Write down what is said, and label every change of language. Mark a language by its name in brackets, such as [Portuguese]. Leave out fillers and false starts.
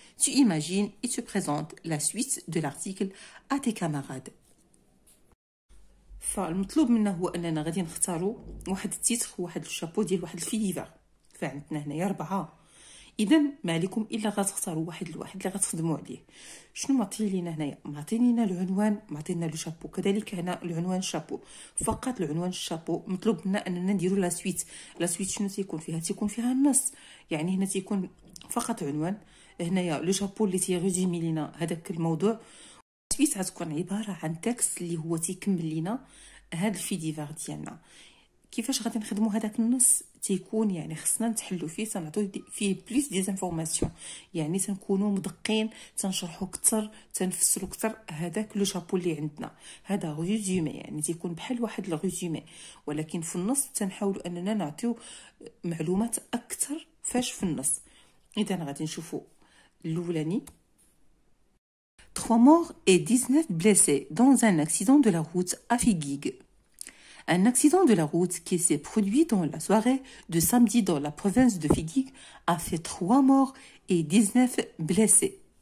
[French] Tu imagines et tu présentes la suite de l'article à tes camarades. [Arabic] فالمطلوب منا هو أننا غادي نختاروا واحد التيتر واحد الشابو ديال واحد الفي ديفيرس. فعندنا هنايا أربعة. إذا ما عليكم إلا غتختاروا واحد الواحد اللي غتخدموا عليه. شنو معطي لينا هنايا؟ معطي لينا العنوان، معطي لنا لو شابو، كذلك هنا العنوان الشابو. فقط العنوان الشابو مطلوب منا أننا نديروا لا سويت. لا سويت شنو تيكون فيها؟ تيكون فيها النص. يعني هنا تيكون فقط عنوان. هنايا لو شابو اللي تيغيزيمي لينا هذاك الموضوع. سويت غتكون عبارة عن تكس اللي هو تيكمل لينا هاد الفي ديفار ديالنا. كيفاش غادي نخدمو هداك النص؟ تيكون يعني خصنا نتحلو فيه، تنعطيو فيه [French] بليس دي زانفورماسيون، [Arabic] يعني تنكونو مدقين، تنشرحو كتر، تنفسرو كتر هداك لو شابو اللي عندنا. هذا غوزيومي، يعني تيكون بحال واحد الغوزيومي، ولكن في النص تنحاولو أننا نعطيو معلومات أكتر فاش في النص. إذا غادي نشوفو الأولاني. [French] 3 morts et 19 blessés dans un accident de la route à Figuig. Un accident de la route qui s'est produit dans la soirée de samedi dans la province de Figuig a fait 3 morts et 19 blessés.